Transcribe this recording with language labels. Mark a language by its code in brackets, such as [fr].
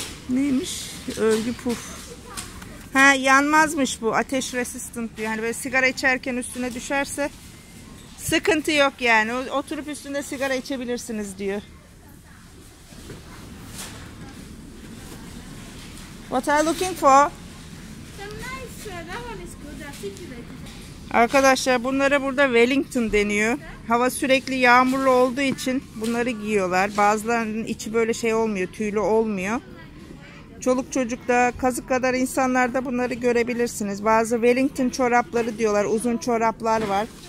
[tr] Neymiş? Örgü puf. Ha, yanmazmış bu. Ateş resistant. Yani böyle sigara içerken üstüne düşerse sıkıntı yok yani. Oturup üstünde sigara içebilirsiniz diyor. [en] What are you looking for? Some nice, that one is good, [tr] Arkadaşlar bunlara burada Wellington deniyor. Hava sürekli yağmurlu olduğu için bunları giyiyorlar. Bazılarının içi böyle şey olmuyor, tüylü olmuyor. Çoluk çocuk da, kazık kadar insanlar da bunları görebilirsiniz. Bazı Wellington çorapları diyorlar, uzun çoraplar var.